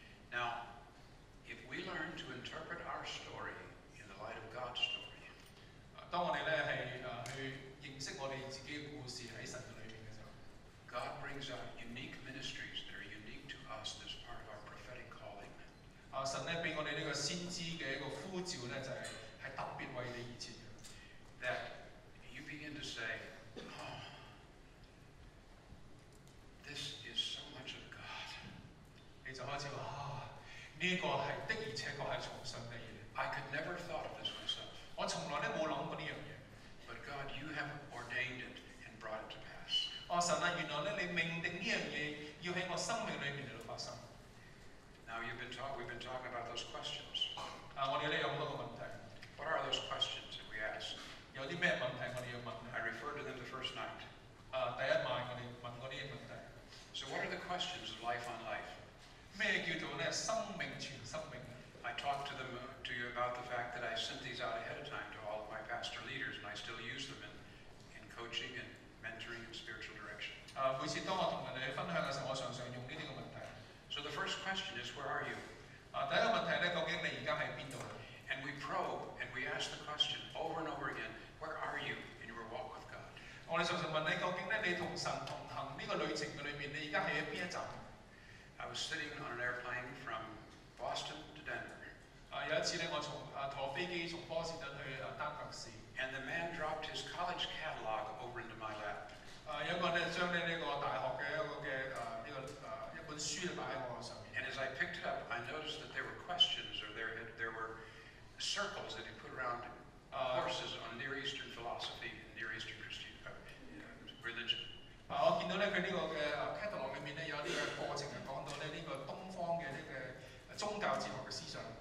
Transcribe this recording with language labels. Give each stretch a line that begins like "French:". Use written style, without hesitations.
English: Now, if we learn to interpret our story in the light of God's story,
Cantonese: 當我哋咧係去認識我哋自己嘅故事喺神嘅裏邊嘅時候
English: ，God brings out unique ministries that are unique to us as part of our prophetic calling.
Cantonese: 神咧俾我哋呢個先知嘅一個呼召咧，就係。係特別為你而設嘅。
English: That you begin to say, "Oh, this is so much of God."
Cantonese: 你就開始話：呢個係的而且確係從神嚟嘅。
English: I could never thought of this myself.
Cantonese: 我從來咧冇諗過呢樣嘢。
English: But God, you have ordained it and brought it to pass.
Cantonese: 神啊，原來咧你命定呢樣嘢要喺我生命裏邊嚟到發生。
English: Now you've been talking. We've been talking about those questions.
Cantonese: 我哋咧有好多個問題。
English: What are those questions that we ask?
Cantonese: 有啲咩問題我哋要問咧
English: ？I referred to them the first night.
Cantonese: 第一晚我哋問嗰啲問題。
English: So what are the questions of life on life?
Cantonese: 咩叫做咧生命全生命
English: ？I talked to them to you about the fact that I sent these out ahead of time to all of my pastor leaders, and I still use them in coaching and mentoring and spiritual direction.
Cantonese: 每次當我同人哋分享嘅時候，我常常用呢啲嘅問題。
English: So the first question is, where are you?
Cantonese: 第一個問題咧，究竟你而家喺邊度？
English: And we probe and we ask the question over and over again, where are you in your walk with God?
Cantonese: 我哋常常問你，究竟咧你同神同行呢個旅程嘅裏面，你而家係喺邊一站
English: ？I was sitting on an airplane from Boston to Denver.
Cantonese: 有一次咧，我從坐飛機從波士頓去丹佛市。
English: And the man dropped his college catalog over into my lap.
Cantonese: 有個咧將咧呢個大學嘅一本書咧擺喺我上面。
English: And as I picked it up, I noticed that there were questions or there were circles that he put around courses on Near Eastern philosophy and Near Eastern Christian religion.
Cantonese: 我見到咧佢呢個嘅catalog 裏面咧有啲嘅課程係講到咧呢個東方嘅呢個宗教哲學嘅思想。